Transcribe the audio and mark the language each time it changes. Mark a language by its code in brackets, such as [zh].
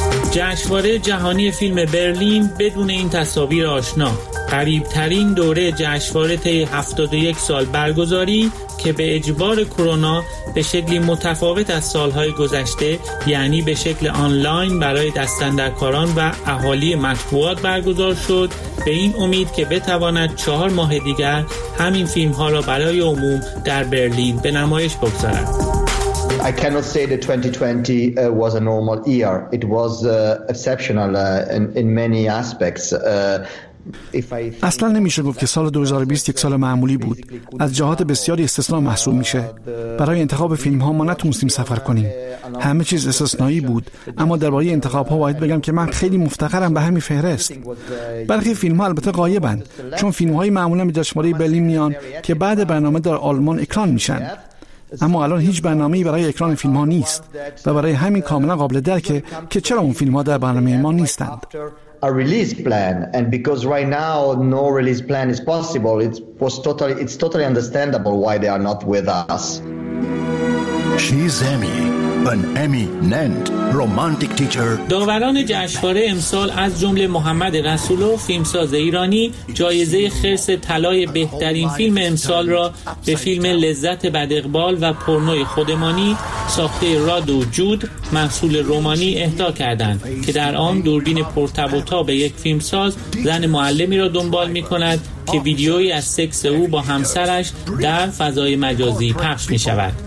[fa] جشنواره جهانی فیلم برلین بدون این تصاویر آشنا، قریب‌ترین دوره جشنواره طی 71 سال برگزاری که به اجبار کرونا به شکلی متفاوت از سالهای گذشته، یعنی به شکل آنلاین برای دستاندرکاران و اهالی مطبوعات برگزار شد، به این امید که بتواند 4 ماه دیگر همین فیلم‌ها را برای عموم در برلین به نمایش بگذارد. [en] I cannot say that 2020 was a normal year. It was exceptional in many aspects. [fa] اصلا نمیشه گفت که سال 2020 یک سال معمولی بود. از جهات بسیاری استثنا محسوب میشه. برای انتخاب فیلم ها ما نتونستیم سفر کنیم. همه چیز استثنایی بود. اما درباره انتخاب ها باید بگم که من خیلی مفتخرم به همین فهرست. برخی فیلم ها البته غایبند، چون فیلم های معمولا به جشنواره برلین میان که بعد برنامه در آلمان اکران میشن. اما الان هیچ برنامه‌ای برای اکران فیلم‌ها نیست و برای همین کاملا قابل درکه که چرا اون فیلم‌ها در برنامه ما نیستند. [en] A release plan, and because right now no release plan is possible, it's totally understandable why they are not with us. She's Emmy, an Emmy nant romantic teacher. [fa] داوران جشنواره امسال از جمله محمد رسولو، فیلمساز ایرانی، جایزه خرس طلای بهترین فیلم امسال را به فیلم لذت بد اقبال و پرنوی خودمانی ساخته راد و جود محصول رومانی اهدا کردند که در آن دوربین پرتب و تاب به یک فیلمساز زن معلمی را دنبال می‌کند که ویدیویی از سکس او با همسرش در فضای مجازی پخش می‌شود.